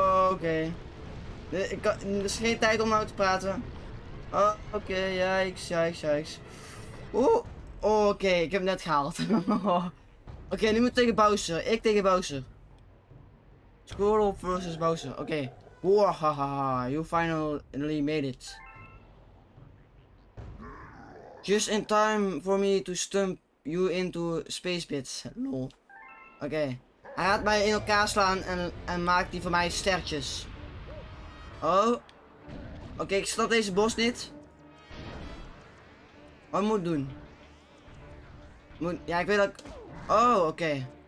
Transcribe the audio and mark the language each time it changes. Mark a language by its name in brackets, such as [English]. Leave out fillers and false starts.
[Dutch] Oké. Er is geen tijd om nou te praten. Oké, jijks. Oeh. Oké, ik heb hem net gehaald. Oké, nu moet ik tegen Bowser. Ik tegen Bowser. Squirrel versus Bowser. Oké. [English] Wahaha, you finally made it. Just in time for me to stump you into space bits. [Dutch] Lol. Oké. Hij gaat mij in elkaar slaan en maakt die van mij stertjes. Oh. Oké, ik snap deze bos niet. Wat moet ik doen? Moet. Ja, ik weet dat. Oh, oké.